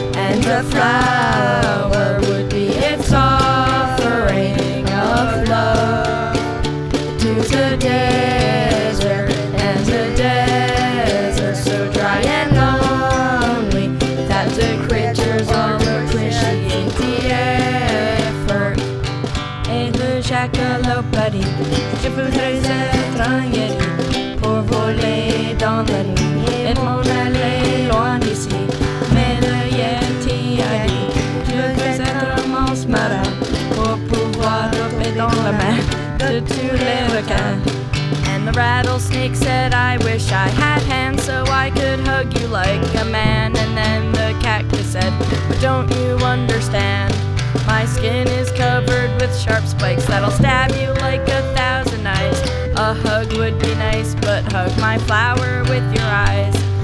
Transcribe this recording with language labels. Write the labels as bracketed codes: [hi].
[en] And the flower would be its offering of love to the desert, and the desert so dry and lonely that the critters all appreciate the effort. Hey, le jackalope, buddy. [fr] Je voudrais être un yeti pour voler dans la nuit et m'en aller loin d'ici. Mais le yeti a dit, je veux être un monstre marin pour pouvoir tomber dans la main de tous les requins. [en] And the rattlesnake said, I wish I had hands so I could hug you like a man. And then the cactus said, but don't you understand? My skin is covered with sharp spikes that'll stab you like a thousand knives. A hug would be nice, but hug my flower with your eyes.